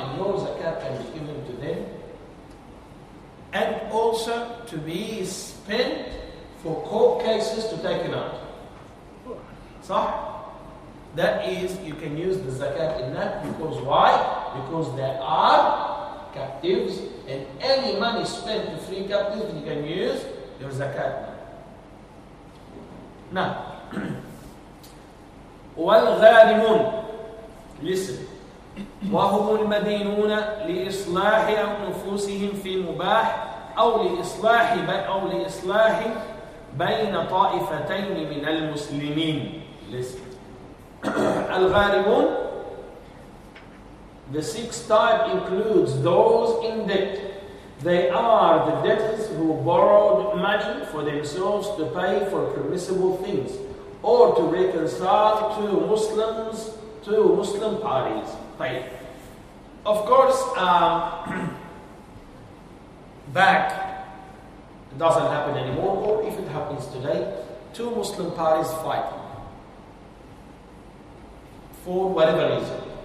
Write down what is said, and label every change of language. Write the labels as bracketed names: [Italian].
[English] And your zakat can be given to them. And also to be spent for court cases to take it out. [Arabic] صح? [English] That is, you can use the zakat in that. Because why? Because there are captives. And any money spent to free captives, you can use your zakat. [Arabic] Now, والغانمون listen وهم المدينون لإصلاح أنفسهم في مباح أو لإصلاح بين طائفتين من المسلمين listen الغانمون [English] the sixth type includes those in debt. They are the debtors who borrowed money for themselves to pay for permissible things or to reconcile to Muslim parties. [Arabic] طيب. [English] Of course, back, it doesn't happen anymore, or if it happens today, two Muslim parties fight for whatever reason.